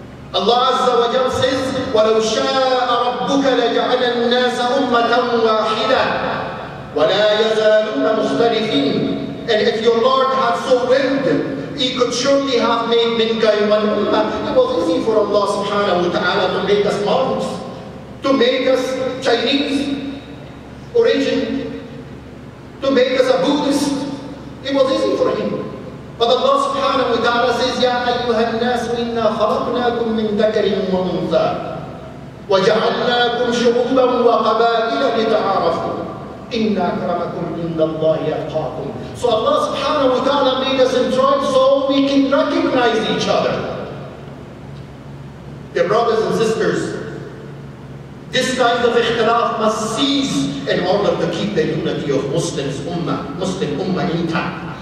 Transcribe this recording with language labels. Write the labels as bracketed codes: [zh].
[en] Allah Azza wa Jal says, [ar] وَلَوْ شَاءَ رَبُّكَ لَجَعَلَ النَّاسَ أُمَّةً وَاحِدًا وَلَا يَزَالُونَ مُخْتَلِفِينَ. [en] And if your Lord had so willed, he could surely have made mankind one ummah. It was easy for Allah subhanahu wa ta'ala to make us Muslims, to make us Chinese origin, to make us a Buddhist. It was easy for him. But Allah subhanahu wa ta'ala says, [ar] يَا أَيُّهَا النَّاسُ إِنَّا خَلَقْنَاكُمْ مِنْ ذَكَرٍ وَأُنْثَى وَجَعَلْنَاكُمْ شُعُوبًا وَقَبَائِلَ لِتَعَارَفُوا إِنَّا أَكْرَمَكُمْ عِنْدَ اللَّهِ أَتْقَاكُمْ. [en] So Allah subhanahu wa ta'ala made us in tribes so we can recognize each other. Dear brothers and sisters, This kind of ikhtilaf must cease in order to keep the unity of Muslim ummah intact.